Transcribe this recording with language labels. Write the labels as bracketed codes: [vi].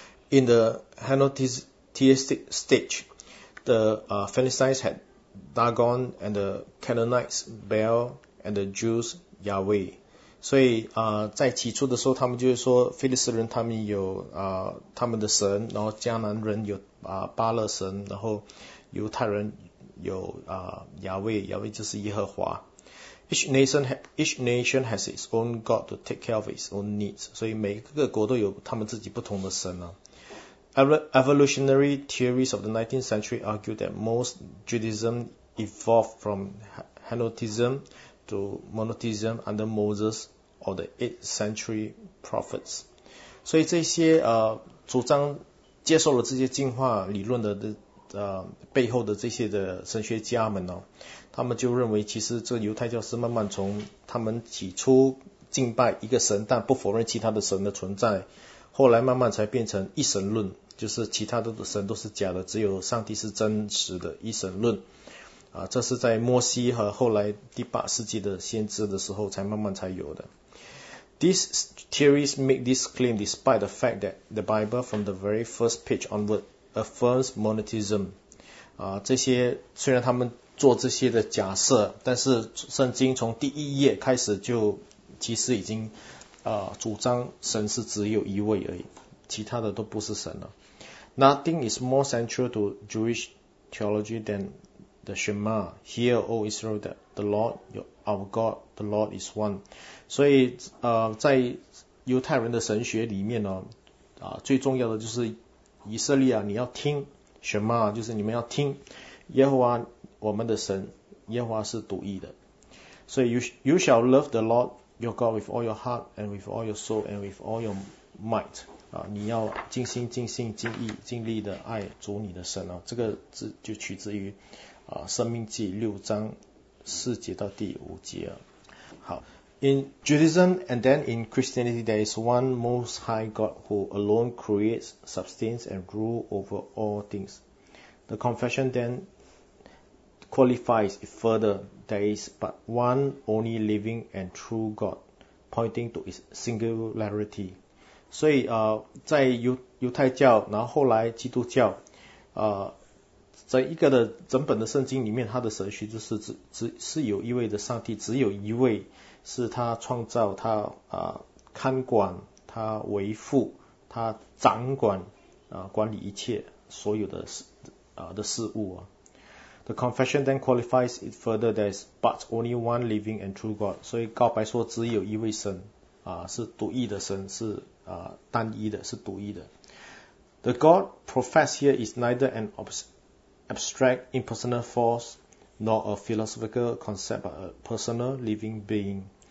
[en] In the henotheistic stage, the Philistines had Dagon and the Canaanites Baal and the Jews Yahweh. [zh] 所以在起初的时候，他们就是说腓力斯人他们有他们的神，然后迦南人有巴勒神，然后犹太人有亚威就是耶和华。 [en] Each nation has its own god to take care of its own needs。 [zh] 所以每个国都有他们自己不同的神啊。 [en] Evolutionary theories of the 19th century argue that most Judaism evolved from henotheism. To monotheism under Moses or the 8th century prophets. [zh] 所以这些主张接受了这些进化理论的背后的这些的神学家们呢，他们就认为其实这犹太教是慢慢从他们起初敬拜一个神，但不否认其他的神的存在，后来慢慢才变成一神论，就是其他的神都是假的，只有上帝是真实的一神论。这是在摩西和后来第八世纪的先知的时候才慢慢才有的。 [en] These theories make this claim despite the fact that the Bible from the very first page onward affirms monotheism. [zh] 这些虽然他们做这些的假设，但是圣经从第一页开始就其实已经主张神是只有一位而已，其他的都不是神了。 [en] Nothing is more central to Jewish theology thanThe Shema, Hear, O Israel, that the Lord, our God, the Lord is one. [zh] 所以在犹太人的神学里面呢，最重要的就是以色列啊，你要听 Shema， 就是你们要听耶和华我们的神，耶和华是独一的。 [en] 所以 you shall love the Lord your God with all your heart and with all your soul and with all your might. [zh] 你要尽心尽性尽意尽力的爱主你的神啊，这个就取自于生命记六章四节到第五节好 ， [en] In Judaism and then in Christianity, there is one Most High God who alone creates, sustains, and rules over all things. The confession then qualifies it further. There is but one only living and true God, pointing to its singularity. [zh] 所以在犹太教，然后后来基督教，在一个的整本的圣经里面，它的神学就是只是有一位的上帝，只有一位是他创造，他看管，他维护，他掌管管理一切所有的事物啊。 [en] The confession then qualifies it further. There is but only one living and true God. [zh] 所以告白说只有一位神是独一的神，是单一的，是独一的。 [en] The God professed here is neither an abstract impersonal force nor a philosophical concept, but a personal living being.